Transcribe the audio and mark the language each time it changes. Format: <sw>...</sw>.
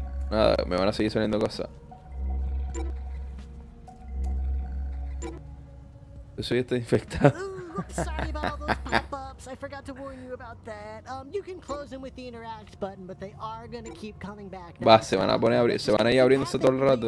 <es>Nada, me van a seguir saliendo cosas. Yo soy este infectado.</es> <en>Sorry about all those pop-ups. I forgot to warn you about that. You can close them with the interact button, but they are gonna keep coming back.</en> <es>Va, se van a poner a abrir, se van a ir abriéndose todo el rato.</es>